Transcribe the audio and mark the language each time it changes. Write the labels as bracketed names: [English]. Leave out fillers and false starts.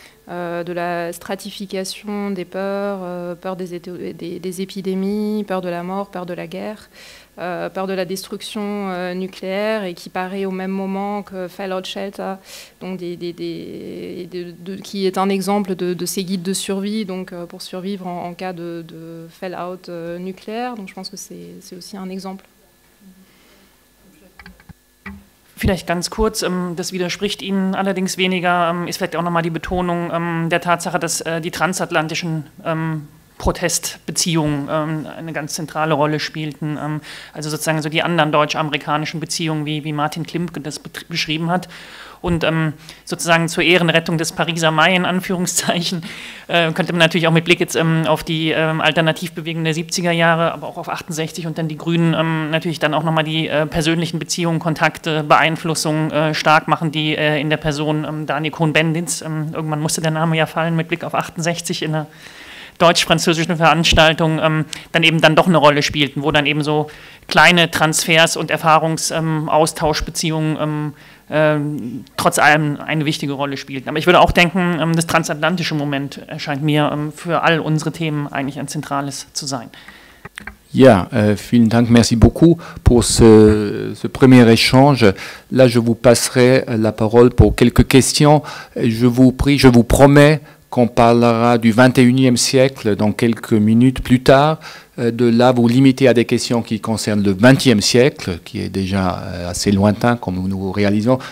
[French] de la stratification des peurs, peur des épidémies, peur de la mort, peur de la guerre, peur de la destruction nucléaire, et qui paraît au même moment que Fallout Shelter, donc qui est un exemple de ces guides de survie, donc pour survivre en cas de fallout nucléaire. Donc je pense que c'est aussi un exemple. [German] Vielleicht ganz kurz, das widerspricht Ihnen allerdings weniger, ist vielleicht auch nochmal die Betonung der Tatsache, dass die transatlantischen Protestbeziehungen eine ganz zentrale Rolle spielten. Also sozusagen so die anderen deutsch-amerikanischen Beziehungen, wie Martin Klimke das beschrieben hat. Und sozusagen zur Ehrenrettung des Pariser Mai, in Anführungszeichen, könnte man natürlich auch mit Blick jetzt auf die Alternativbewegung der 70er Jahre, aber auch auf 68 und dann die Grünen, natürlich dann auch nochmal die persönlichen Beziehungen, Kontakte, Beeinflussung stark machen, die in der Person Daniel Cohn-Bendits, irgendwann musste der Name ja fallen, mit Blick auf 68 in der deutsch-französischen Veranstaltung, dann eben dann doch eine Rolle spielten, wo dann eben so kleine Transfers und Erfahrungsaustauschbeziehungen trotz allem eine wichtige Rolle spielten. Aber ich würde auch denken, das transatlantische Moment erscheint mir für all unsere Themen eigentlich ein zentrales zu sein. Ja, vielen Dank, [French] merci beaucoup pour ce premier échange. Là, je vous passerai la parole pour quelques questions. Je vous prie, je vous promets qu'on parlera du 21e siècle dans quelques minutes plus tard. De là, vous limitez à des questions qui concernent le 20e siècle, qui est déjà assez lointain, comme nous réalisons.